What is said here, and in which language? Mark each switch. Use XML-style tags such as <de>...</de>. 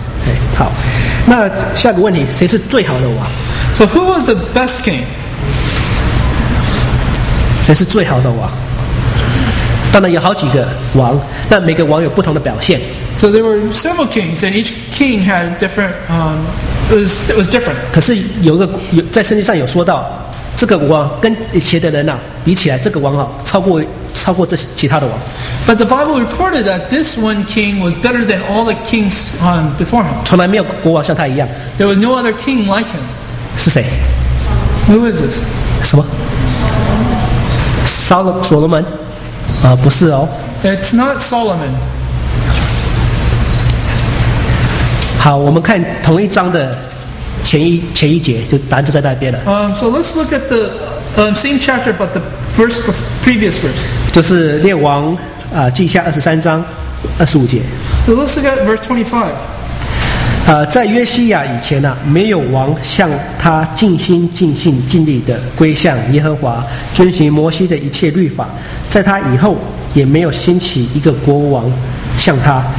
<zh>Okay, 好，那下个问题，谁是最好的王</zh> <en>？So who was the best king？</en> <zh>谁是最好的王？当然有好几个王，那每个王有不同的表现。</zh> <en>So there were several kings, and each king had different. It was different.</en> <zh>可是有一个有在圣经上有说到，这个王跟以前的人呐、啊、比起来，这个王啊超过这其他的王。</zh> <en>But the Bible recorded that this one king was better than all the kings before him.</en> <zh>从来没有国王像他一样。</zh> <en>There was no other king like him.</en> <zh>是谁</zh> <en>？Who is this？</en> <zh>什么？所罗门？啊、不是哦。</zh> <en>It's not Solomon.</en> <zh>好，我们看同一章的前一节，就答案就在那边了。</zh> <en>So let's look at the same chapter, but the first previous verse.</en> <zh>就是列王啊、记下二十三章二十五节。</zh> <en>So let's look at verse 25.</en> <zh>在约西亚以前呢、啊，没有王像他尽心尽性尽力的归向耶和华，遵循摩西的一切律法。在他以后，也没有兴起一个国王像他。</zh>